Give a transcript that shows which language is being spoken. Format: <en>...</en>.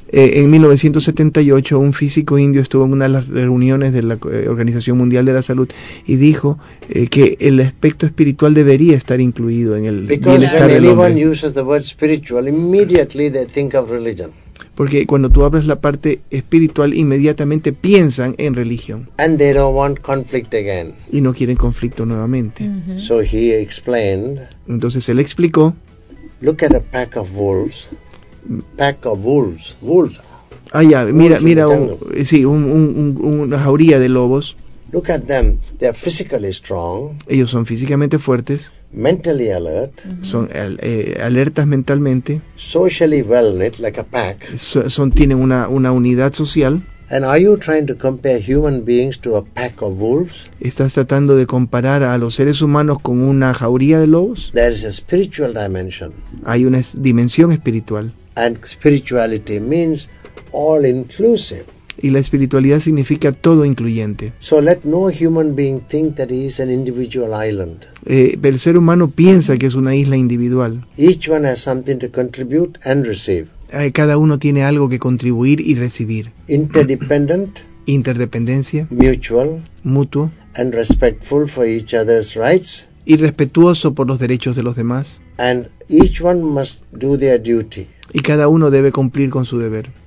<es>En 1978 un físico indio estuvo en una de las reuniones de la Organización Mundial de la Salud y dijo que el aspecto espiritual debería estar incluido en el bienestar del hombre.</es> <en>Because when anyone uses the word spiritual immediately they think of religion.</en> <es>Porque cuando tú abres la parte espiritual, inmediatamente piensan en religión.</es> <en>And they don't want conflict again.</en> <es>Y no quieren conflicto nuevamente.</es> <en>Mm-hmm. So he explained,</en> <es>entonces él explicó.</es> <en>Look at a pack of wolves. Pack of wolves. Wolves.</en> <es>Ah, ya, mira una jauría de lobos.</es> <en>Look at them. They are physically strong.</en> <es>Ellos son físicamente fuertes.</es> <en>Mentally alert.</en> <es>Son alertas mentalmente.</es> <en>Socially well knit, like a pack.</en> <es>Tienen una unidad social.</es> <en>And are you trying to compare human beings to a pack of wolves?</en> <es>¿Estás tratando de comparar a los seres humanos con una jauría de lobos?</es> <en>There is a spiritual dimension.</en> <es>Hay una dimensión espiritual.</es> <en>And spirituality means all inclusive.</en> <es>Y la espiritualidad significa todo incluyente.</es> <en>So let no human being think that he is an individual island.</en> <es>El ser humano piensa que es una isla individual.</es> <en>Each one has something to contribute and receive.</en> <es>Cada uno tiene algo que contribuir y recibir.</es> <en>Interdependent.</en> <es>Interdependencia.</es> <en>Mutual.</en> <es>Mutuo.</es> <en>And respectful for each other's rights.</en> <es>Y respetuoso por los derechos de los demás.</es> <en>And each one must do their duty.</en> <es>Y cada uno debe cumplir con su deber.</es>